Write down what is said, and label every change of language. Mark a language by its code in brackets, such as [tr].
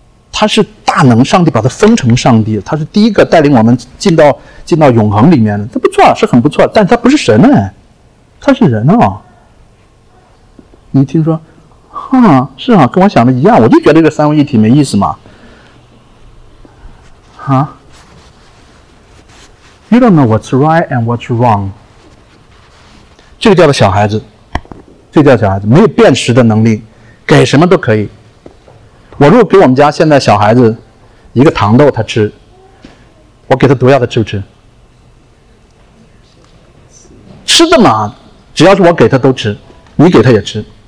[zh] 他是大能，上帝把他封成上帝，他是第一个带领我们进到永恒里面的，他不错，是很不错，但是他不是神呢，他是人哦。你听说啊，是啊，跟我想的一样，我就觉得这个三位一体没意思嘛。 [en] 啊 ，You don't know what's right and what's wrong。 [zh] 这个叫做小孩子，这个叫小孩子，没有辨识的能力，给什么都可以。我如果给我们家现在小孩子一个糖豆，他吃，我给他毒药，他吃不吃？吃的嘛，只要是我给他都吃，你给他也吃。